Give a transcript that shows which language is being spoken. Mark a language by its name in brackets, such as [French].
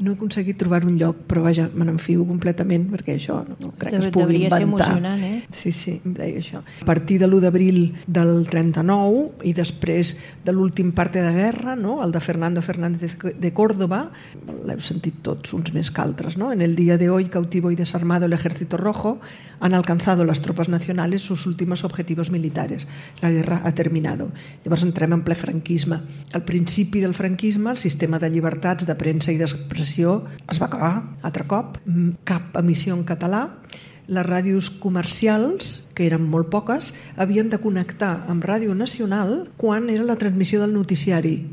[Catalan] No he aconseguit trobar un lloc, però vaja, me n'enfio completament, perquè això no crec que es pugui inventar. Devia ser emocionant, eh? Sí, sí, deia això. A partir de l'1 d'abril del 39 i després de l'últim parte de guerra, no?, el de Fernando Fernández de Córdoba, l'heu sentit tots uns més que altres, no? [Spanish] "En el día de hoy, cautivo y desarmado el ejército rojo, han alcanzado las tropas nacionales sus últimos objetivos militares. La guerra ha terminado". [Catalan] Llavors entrem en ple franquisme. Al principi del franquisme, el sistema de llibertats de premsa i d'expressió es va acabar, altre cop, cap emissió en català. les ràdios comercials, que eren molt poques, havien de connectar amb Ràdio Nacional quan era la transmissió del noticiari.